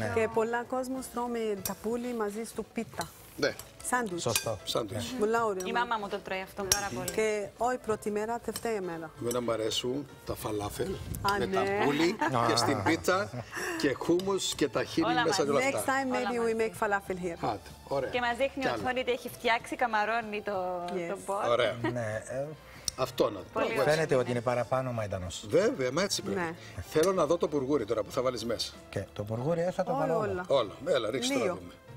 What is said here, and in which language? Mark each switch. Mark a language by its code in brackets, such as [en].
[el] Και πολλά κόσμο τρώμε ταμπούρι μαζί στο πίτα. Ναι. Σάντουιτς. Σωστό. Σάντουιτς. Μουλάουρι. Η μάμα μου το τρώει αυτό πάρα πολύ. Και όχι πρώτη μέρα, τελευταία μέρα. Εμένα μου αρέσουν τα φαλάφελ με ταμπούλι και στην πίτα και χούμους και ταχίνι μέσα από αυτά. [en] Next time maybe we make falafel here. [el] Hot. Ωραία. Και μας δείχνει ο Αντώνης έχει φτιάξει καμαρώνει το πότ. Ωραία. Αυτό να δω. Φαίνεται ότι είναι παραπάνω μαϊντανός. Βέβαια, μα έτσι πρέπει. Θέλω να δω το μπουργούρι τώρα που θα βάλεις μέσα. Και το μπουργούρι θα το βάλω όλα. Όλα. Έλα, ρίξτε το να δούμε.